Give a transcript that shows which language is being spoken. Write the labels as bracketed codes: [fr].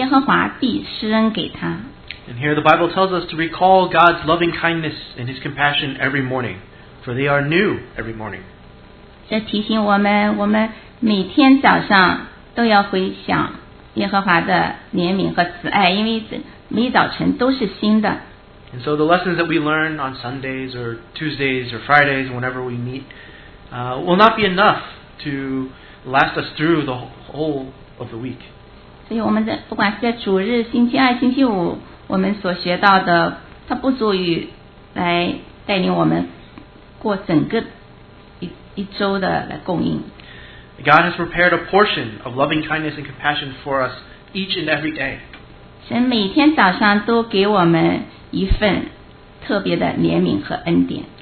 [zh] 21我想起这事心里就有指望我们不至消灭是出于耶和华诸般的慈爱是因他的怜悯不至断绝每早晨这都是新的你的诚实极其广大我心里说耶和华是我的份因此我要仰望他凡等候耶和华心里寻求他的耶和华必施恩给他 [en] And here the Bible tells us to recall God's loving kindness and His compassion every morning, for they are new every morning. [zh] 这提醒我们,我们每天早上都要回想耶和华的怜悯和慈爱,因为每早晨都是新的。 [en] And so the lessons that we learn on Sundays or Tuesdays or Fridays, whenever we meet, will not be enough to last us through the whole of the week. [zh] 所以我们在,不管是在主日,星期二,星期五, 我们所学到的,它不足以来带领我们过整个一周的来供应。 [en] God has prepared a portion of loving kindness and compassion for us each and every day. [zh] 神每天早上都给我们一份特别的怜悯和恩典。